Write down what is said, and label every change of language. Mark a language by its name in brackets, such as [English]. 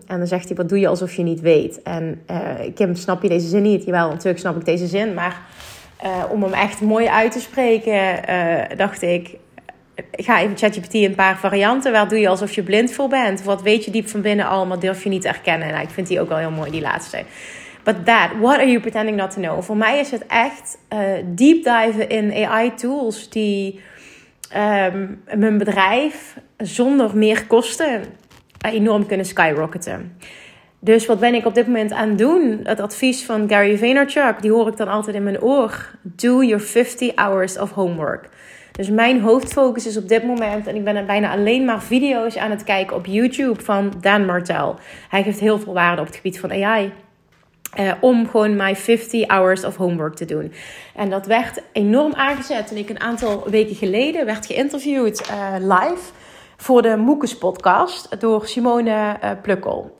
[Dutch] En dan zegt hij, wat doe je alsof je niet weet? En Kim, snap je deze zin niet? Jawel, natuurlijk snap ik deze zin. Maar om hem echt mooi uit te spreken, dacht ik, ga even ChatGPT een paar varianten. Waar doe je alsof je blind voor bent? Wat weet je diep van binnen al, maar durf je niet te erkennen? Nou, ik vind die ook wel heel mooi, die laatste. [English] But that, what are you pretending not to know? [Dutch] Voor mij is het echt deep dive in AI tools die mijn bedrijf zonder meer kosten enorm kunnen skyrocketen. Dus wat ben ik op dit moment aan het doen? Het advies van Gary Vaynerchuk, die hoor ik dan altijd in mijn oor. [English] Do your 50 hours of homework. [Dutch] Dus mijn hoofdfocus is op dit moment, en ik ben bijna alleen maar video's aan het kijken op YouTube van Dan Martell. Hij geeft heel veel waarde op het gebied van AI. Om gewoon mijn [English] 50 hours of homework [Dutch] te doen. En dat werd enorm aangezet toen ik een aantal weken geleden werd geïnterviewd live voor de Moekes podcast door Simone Plukkel.